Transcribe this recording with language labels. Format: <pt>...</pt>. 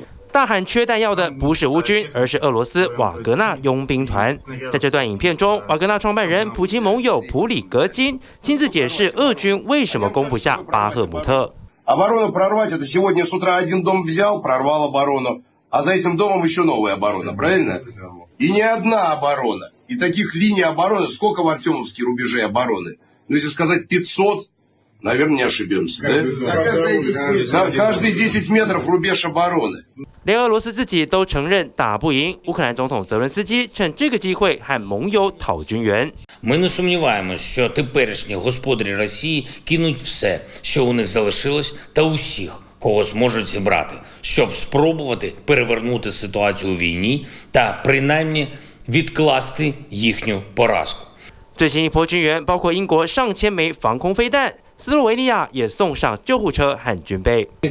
<zh>大喊缺弹药的不是乌军，而是俄罗斯瓦格纳佣兵团。在这段影片中，瓦格纳创办人普京盟友普里格金亲自解释俄军为什么攻不下巴赫姆特。</zh> <ru>оборону прорвать это сегодня с утра один дом взял, прорвал оборону, а за этим домом еще новая оборона, правильно? И не одна оборона, и таких линий обороны сколько в Артемовске рубежи обороны? Ну если сказать 500, наверное, не ошибемся, да? За каждые 10 метров рубеж обороны.</ru> <zh>连俄罗斯自己都承认打不赢，乌克兰总统泽伦斯基趁这个机会和盟友讨军援。</zh> <uk>Ми не сумніваємося, що теперішні господарі Росії кинуть все, що у них залишилось, та усіх, кого зможуть зібрати, щоб спробувати перевернути ситуацію у війні та принаймні відкласти їхню поразку.</uk> <zh>最新一波军援包括英国上千枚防空飞弹。斯洛维尼亚也送上救护车和军备。</zh>